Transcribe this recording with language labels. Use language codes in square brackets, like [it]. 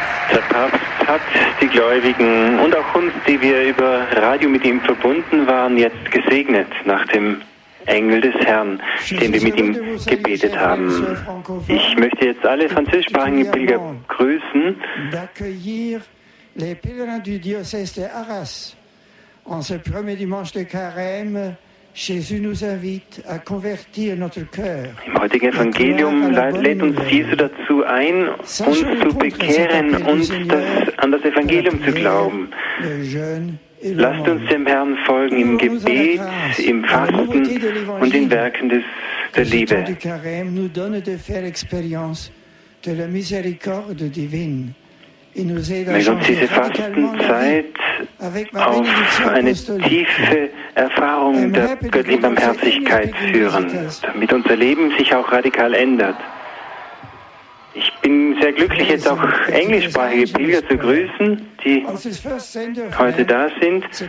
[de] Der Papst hat die Gläubigen und auch uns, die wir über Radio mit ihm verbunden waren, jetzt gesegnet nach dem Engel des Herrn, den wir mit ihm gebetet haben. Ich möchte jetzt alle französischsprachigen Pilger grüßen. [fr] D'accueillir les pèlerins du diocèse de Arras. En ce premier dimanche de carême, Jésus nous invite à convertir notre cœur. [de] Im heutigen Evangelium lädt uns Jesus dazu ein, uns zu bekehren und an das Evangelium zu glauben. Lasst uns dem Herrn folgen im Gebet, im Fasten und in Werken der Liebe. [fr] Le carême nous donne de faire expérience de la miséricorde divine. [de] Möge uns diese Fastenzeit auf eine tiefe Erfahrung der göttlichen Barmherzigkeit führen, damit unser Leben sich auch radikal ändert. Ich bin sehr glücklich, jetzt auch englischsprachige Pilger zu grüßen, die heute da sind.